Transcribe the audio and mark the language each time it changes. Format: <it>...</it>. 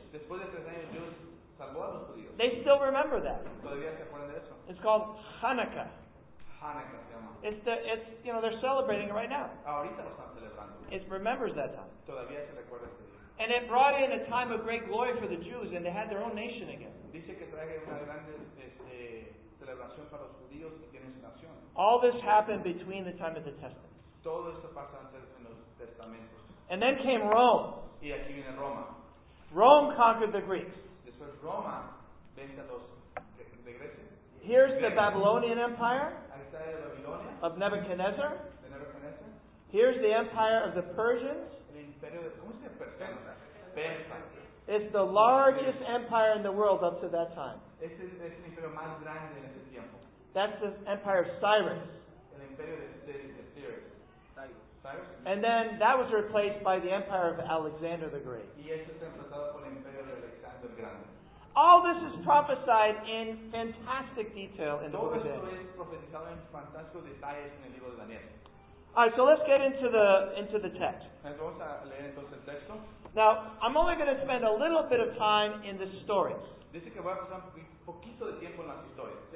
<es>Después de tres años, Dios salvó a los judíos.</es> <en>They still remember that.</en> <es>Todavía se acuerdan de eso.</es> <en>It's called Hanukkah.</en> <es>Hanukkah se llama.</es> <en>It's you know, they're celebrating it right now.</en> <es>Ahorita lo están celebrando.</es> <en>It remembers that time.</en> <es>Todavía se recuerda ese día.</es> <en>And it brought in a time of great glory for the Jews, and they had their own nation again.</en> <es>Dice que trae una grande celebración para los judíos y tienen su nación.</es> <en>All this happened between the time of the Testaments.</en> <es>Todo esto pasa antes en los Testamentos.</es> <en>And then came Rome.</en> <es>Y aquí viene Roma.</es> <en>Rome conquered the Greeks.</en> <es>Después Roma vence a los de Grecia.</es> <en>Here's the Babylonian Empire.</en> <es>Ahí está el Babilonia.</es> <en>Of Nebuchadnezzar.</en> <es>De Nebuchadnezzar.</es> <en>Here's the Empire of the Persians.</en> <es>El imperio de, ¿cómo se dice persiano? Persa.</es> <en>It's the largest empire in the world up to that time.</en> <es>Es el imperio más grande en ese tiempo.</es> <en>That's the Empire of Cyrus.</en> <es>El imperio de Cyrus.</es> <en>And then that was replaced by the Empire of Alexander the Great.</en> <es>Y eso se reemplazó por el imperio de Alexander el Grande.</es> <en>All this is prophesied in fantastic detail in the book of Daniel.</en> <es>Todo esto es profetizado en fantásticos detalles en el libro de Daniel.</es> <en>All right, so let's get into the text.</en> <es>Vamos a leer entonces el texto.</es> <en>Now, I'm only going to spend a little bit of time in the stories.</en> <es>Dice que voy a pasar un poquito de tiempo en las historias.</es>